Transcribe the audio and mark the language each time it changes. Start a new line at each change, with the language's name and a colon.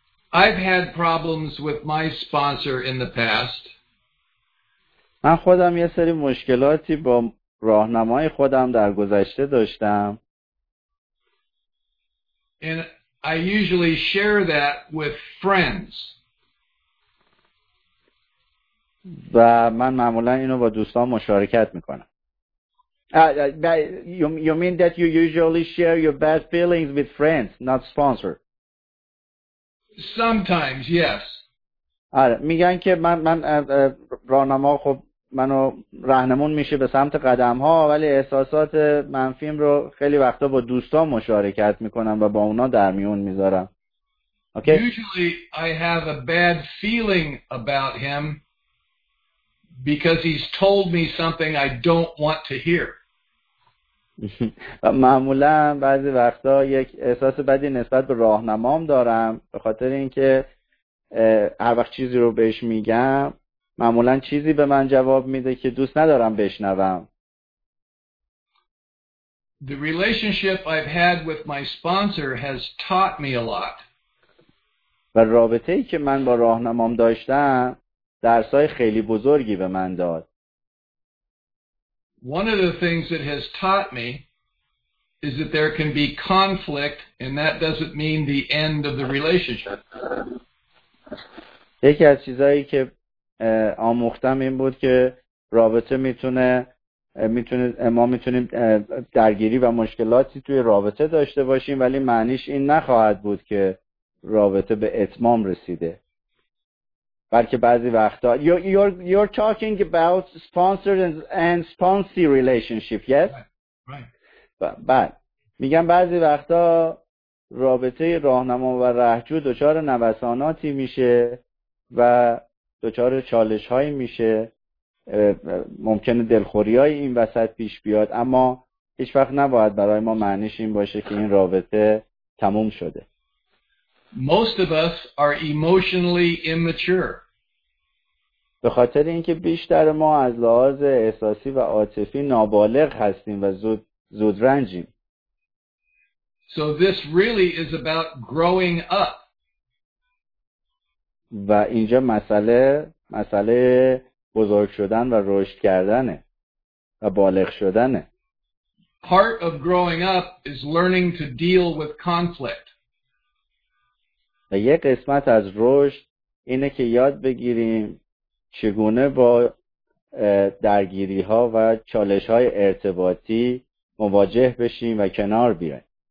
English: I've had problems with my sponsor in the past.
Persian: من خودم یه سری مشکلاتی با راهنمای خودم در گذشته داشتم.
English: And I usually share that with friends.
Persian: و من معمولا اینو با دوستان مشارکت میکنم.
English: You mean that you usually share your bad feelings with friends, not sponsor? Sometimes, yes.
Persian: آره میگن که من راهنما خب منو راهنمون میشه به سمت قدم ها ولی احساسات منفیم رو خیلی وقتا با دوستان مشارکت میکنم و با اونا در میون میذارم.
English: Okay. Usually I have a bad feeling about him. Because he's told me something I don't want to hear.
Persian: معمولا بعضی وقتا یک احساس بدی نسبت به راهنمام دارم، به خاطر اینکه هر وقت چیزی رو بهش میگم معمولا چیزی به من جواب میده که دوست ندارم بشنوم.
English: The relationship I've had with my sponsor has taught me a lot.
Persian: و رابطه‌ای که من با راهنمام داشتم درس‌های خیلی بزرگی به من داد.
English: One of the things it has taught me is that there can be conflict and that doesn't mean the end of the relationship.
Persian: یکی از چیزایی که آموختم این بود که رابطه میتونیم درگیری و مشکلاتی توی رابطه داشته باشیم، ولی معنیش این نخواهد بود که رابطه به اتمام رسیده. بلکه بعضی وقتا
English: you're talking about sponsored and sponsee relationship, yes? Right.
Persian: میگم بعضی وقتا رابطه راهنما و رهجو دچار نوساناتی میشه و دچار چالش هایی میشه، ممکنه دلخوری های این وسط پیش بیاد، اما هیچ وقت نباید برای ما معنیش این باشه که این رابطه تموم شده.
English: Most of us are emotionally immature.
Persian: به خاطر اینکه بیشتر ما از لحاظ احساسی و عاطفی نابالغ هستیم و زود رنجیم.
English: So this really is about growing up.
Persian: و اینجا مسئله بزرگ شدن و رشد کردنه و بالغ شدنه.
English: Part of growing up is learning to deal with conflict.
Persian: و یک قسمت از رشد اینه که یاد بگیریم چگونه با درگیری ها و چالش های ارتباطی مواجه بشیم و کنار بیاییم.